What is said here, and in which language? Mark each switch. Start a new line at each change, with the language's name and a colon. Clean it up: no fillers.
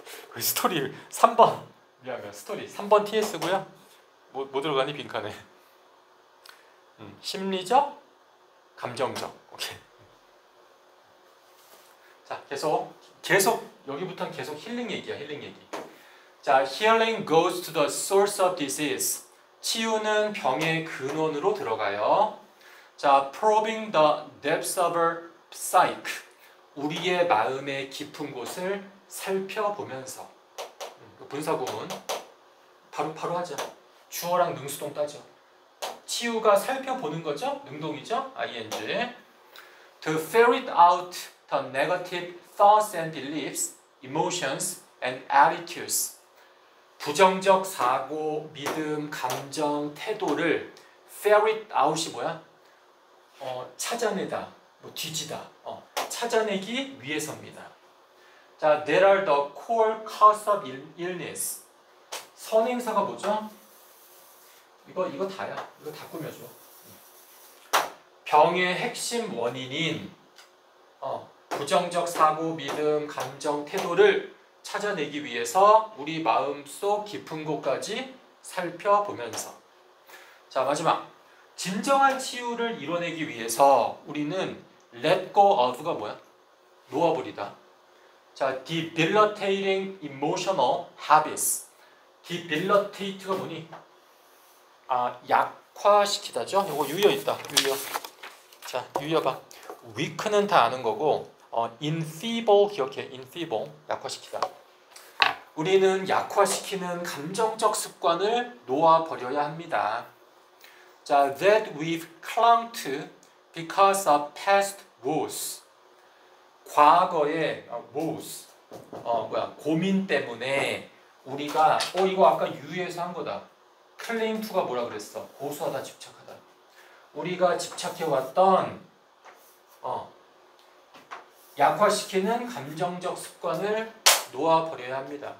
Korean: 그 스토리 3번. 미안. 스토리 3번 TS고요. 뭐 들어가니 빈칸에. 심리적, 감정적. 오케이. 자, 계속 여기부터는 계속 힐링 얘기야. 힐링 얘기. 자,
English: 자, healing goes to the source of disease.
Korean: 치유는 병의 근원으로 들어가요.
English: 자, probing the depths of our psyche.
Korean: 우리의 마음의 깊은 곳을 살펴보면서. 분사구문 바로 하자. 주어랑 능수동 따죠. 치유가 살펴보는 거죠? 능동이죠? ing.
English: To ferret out the negative thoughts and beliefs, emotions and attitudes.
Korean: 부정적 사고, 믿음, 감정, 태도를 ferret out이 뭐야? 찾아내다, 뭐 뒤지다. 찾아내기 위해서입니다.
English: 자, there are the core cause of illness.
Korean: 선행사가 뭐죠? 이거 다야. 이거 다 꾸며줘. 병의 핵심 원인인 부정적 사고, 믿음, 감정, 태도를 찾아내기 위해서 우리 마음속 깊은 곳까지 살펴보면서. 자, 마지막. 진정한 치유를 이뤄내기 위해서 우리는 let go of가 뭐야? 놓아버리다.
English: 자, debilitating emotional habits.
Korean: debilitate가 뭐니? 약화시키다죠? 이거 유효 있다. 유효. 자, 유효가 weak는 다 아는 거고 enfeeble 기억해. enfeeble 약화시키다. 우리는 약화시키는 감정적 습관을 놓아버려야 합니다.
English: 자, that we've clung to because of past woes.
Korean: 과거의 woes. 고민 때문에 우리가 이거 아까 유유에서 한 거다. cling to가 뭐라 그랬어? 고수하다, 집착하다. 우리가 집착해왔던 약화시키는 감정적 습관을 놓아버려야 합니다.